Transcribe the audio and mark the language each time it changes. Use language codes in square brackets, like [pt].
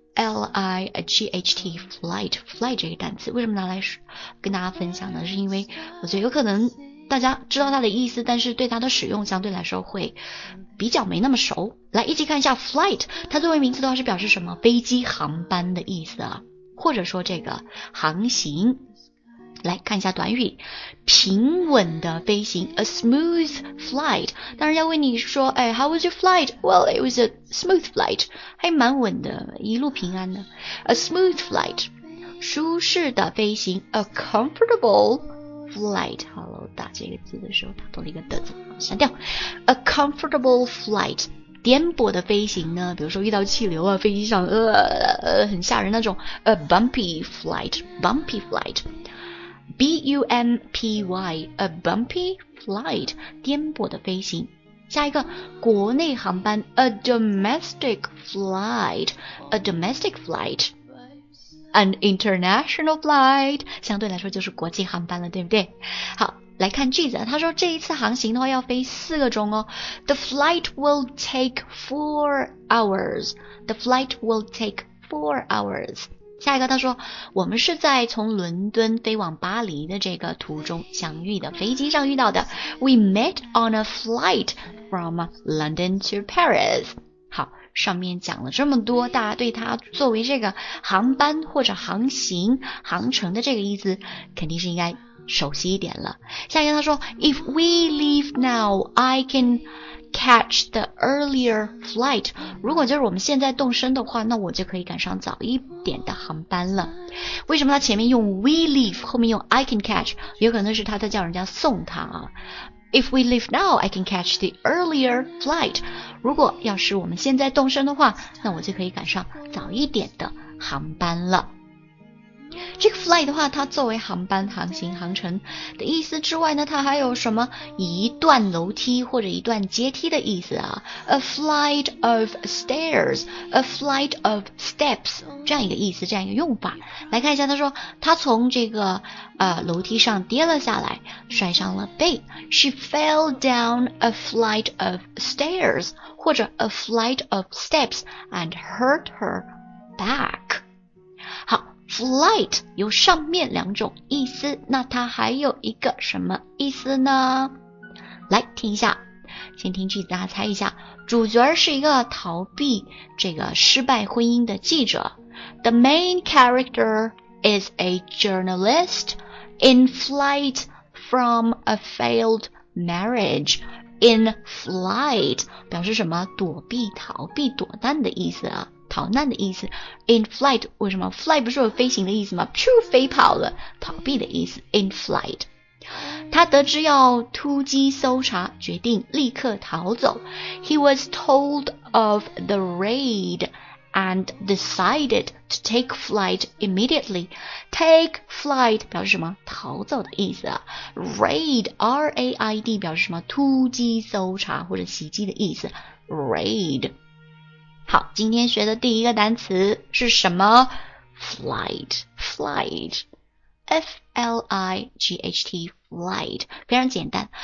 [zh] L-I-G-H-T Flight Flight 这个单词为什么拿来跟大家分享呢，是因为我觉得有可能大家知道它的意思，但是对它的使用相对来说会比较没那么熟。来一起看一下 Flight， 它作为名词的话是表示什么，飞机航班的意思啊，或者说这个航行。来看一下短语，平稳的飞行 [en] A smooth flight。当然要问你说，哎 How was your flight? Well, it was a smooth flight， [zh] 还蛮稳的，一路平安的。 [en] A smooth flight， [zh] 舒适的飞行 [en] A comfortable flight。 [zh] 好了，打这个字的时候打到了一个的字，删掉。 [en] A comfortable flight， [zh] 颠簸的飞行呢，比如说遇到气流啊，飞机上很吓人那种。 [en] A bumpy flight， bumpy flight， B-U-M-P-Y， a bumpy flight， [zh] 颠簸的飞行。下一个，国内航班， [en] a domestic flight， a domestic flight， an international flight， [zh] 相对来说就是国际航班了，对不对？好，来看句子，他说这一次航行的话要飞四个钟哦。 [en] The flight will take 4 hours， the flight will take 4 hours。 [zh] 下一个他说，我们是在从伦敦飞往巴黎的这个途中相遇的，飞机上遇到的。 [en] We met on a flight from London to Paris。 [zh] 好，上面讲了这么多，大家对它作为这个航班或者航行航程的这个意思肯定是应该熟悉一点了。下一个他说， [en] If we leave now I can catch the earlier flight， [zh] 如果就是我们现在动身的话，那我就可以赶上早一点的航班了。为什么他前面用 [en] we leave， [zh] 后面用 [en] I can catch， [zh] 有可能是他在叫人家送他啊。 [en] If we leave now, I can catch the earlier flight. [zh] 如果要是我们现在动身的话，那我就可以赶上早一点的航班了。这个 flight 的话，它作为航班航行航程的意思之外呢，它还有什么一段楼梯或者一段阶梯的意思啊。 [en] A flight of stairs, a flight of steps, [zh] 这样一个意思，这样一个用法。来看一下，他说他从这个楼梯上跌了下来，摔伤了背。 [en] She fell down a flight of stairs, [zh] 或者 [en] a flight of steps and hurt her back. [zh] 好， flight 有上面两种意思，那它还有一个什么意思呢？来听一下，先听句子，大家猜一下。主角是一个逃避这个失败婚姻的记者。 [en] The main character is a journalist in flight from a failed marriage, in flight [zh] 表示什么？躲避、逃避、躲难的意思啊，逃难的意思。 [en] In flight [zh] 为什么 ？Fly 不是有飞行的意思吗？噗，飞跑了，逃避的意思。 [en] In flight， [zh] 他得知要突击搜查，决定立刻逃走。 [en] He was told of the raid and decided to take flight immediately. Take flight [zh] 表示什么？逃走的意思啊。 Raid, R-A-I-D 表示什么？突击搜查或者袭击的意思。 [en] Raid。 [zh] 好，今天学的第一个单词是什么？ [en] Flight, flight, F-L-I-G-H-T, flight, [zh] 非常简单。